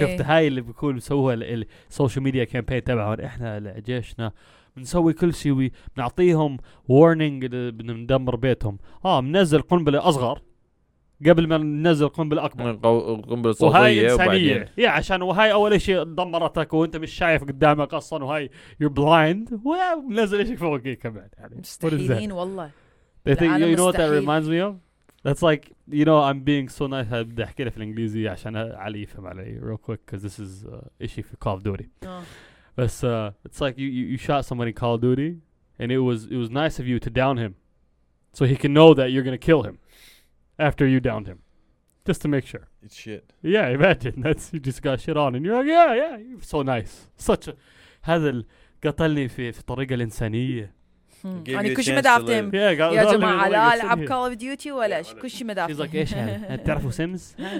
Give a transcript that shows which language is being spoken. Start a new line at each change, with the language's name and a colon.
Arabic: شفت هاي اللي بيكون سووها السوشيال ميديا كامبين تبعهم إحنا جيشنا بنسوي كل شيء وبنعطيهم وارنينج بندمر بيتهم بننزل قنبلة أصغر قبل ما ننزل قنبلة أكبر قنبلة صوتية وهاي إنسانية يا عشان وهاي أول شيء دمرتك وأنت مش شايف قدامك أصلا وهاي
English: you're blind
Arabic: ونزل إشي فوقك كمان مستحيلين والله
English: they think, you know what that reminds me of That's like, you know, I'm being so nice. I'm going to talk to you in English real quick because this is issue for Call of Duty. But it's like you shot somebody in Call of Duty and it was nice of you to down him so he can know that you're going to kill him after you downed him. Just to make sure. It's shit. Yeah, imagine. That's, you just got shit on and you're like, yeah, yeah, you're so nice. Such a...
Arabic: هذا قتلني في طريقة الإنسانية. يعني كل شيء ما دافتم يا جماعة لا ألعب Call of Duty ولا إيش كل شيء ما دافتم.
English: He's like
Arabic: إيش هذا تعرفوا سيمز